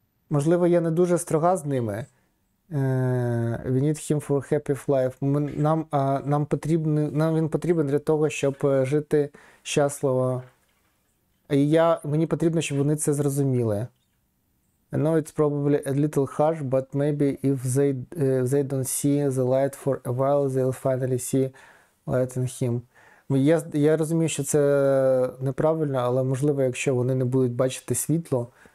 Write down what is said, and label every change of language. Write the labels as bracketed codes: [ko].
[uk] Можливо, я не дуже строга з ними. [en] We need him for happy life. [uk] Нам він потрібен для того, щоб жити щасливо. І мені потрібно, щоб вони це зрозуміли. [en] I know it's probably a little harsh, but maybe if they don't see the light for a while, they'll finally see light in him. [uk] Я розумію, що це неправильно, але можливо, якщо вони не будуть бачити світло.